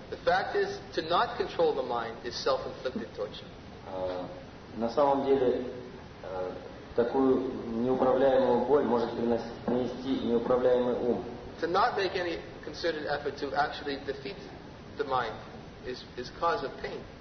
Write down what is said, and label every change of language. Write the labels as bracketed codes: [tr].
[en] The fact is, to not control the mind is self-inflicted torture. [ru] На самом деле, такую неуправляемую боль может принести неуправляемый ум. [en] To not make any concerted effort to actually defeat the mind is cause of pain.